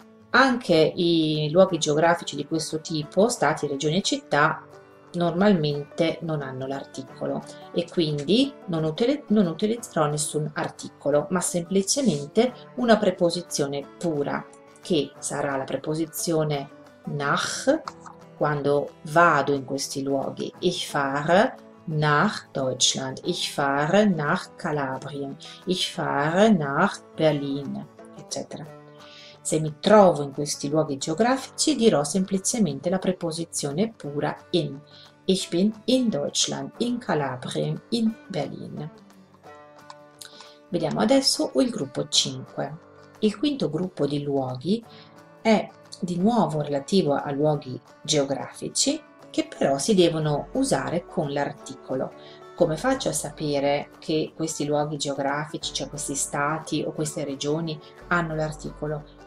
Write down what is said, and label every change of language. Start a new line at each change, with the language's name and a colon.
Italian: Anche i luoghi geografici di questo tipo, stati, regioni e città, normalmente non hanno l'articolo e quindi non utilizzerò nessun articolo, ma semplicemente una preposizione pura, che sarà la preposizione nach, quando vado in questi luoghi.
German: Ich fahre nach Deutschland, ich fahre nach Kalabrien, ich fahre nach Berlin, eccetera.
Italian: Se mi trovo in questi luoghi geografici, dirò semplicemente la preposizione pura in.
German: Ich bin in Deutschland, in Kalabrien, in Berlin.
Italian: Vediamo adesso il gruppo 5. Il quinto gruppo di luoghi è di nuovo relativo a luoghi geografici che però si devono usare con l'articolo. Come faccio a sapere che questi luoghi geografici, cioè questi stati o queste regioni, hanno l'articolo?